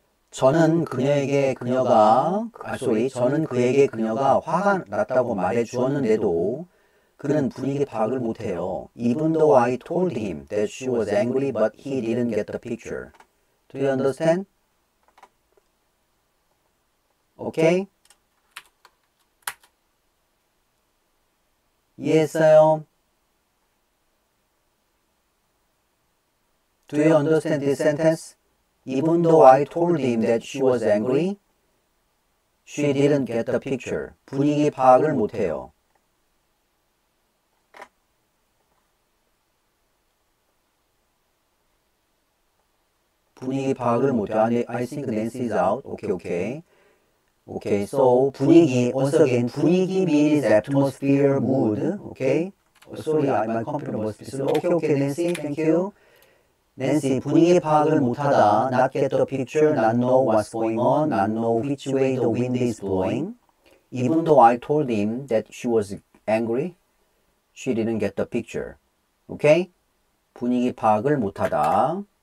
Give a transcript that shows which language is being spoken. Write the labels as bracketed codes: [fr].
[ko] 저는 그녀에게 그녀가 sorry 저는 그에게 그녀가 화가 났다고 말해 주었는데도 그는 분위기 파악을 못해요. [en] Even though I told him that she was angry, but he didn't get the picture. Do you understand? Okay? [ko] 이해했어요? [en] Do you understand this sentence? Even though I told him that she was angry, she didn't get the picture. [ko] 분위기 파악을 못해요. 분위기 파악을 못해요. [en] I think Nancy is out. [ko] 오케이, 오케이. [en] 오케이, so 분위기, once again, 분위기 means atmosphere, mood. 오케이. Sorry, my computer must be slow. 오케이, Nancy. Thank you. [ko] 낸시, 분위기 파악을 못하다. [en] Not get the picture, not know what's going on, not know which way the wind is blowing. Even though I told him that she was angry, she didn't get the picture. [ko] Okay? 분위기 파악을 못하다.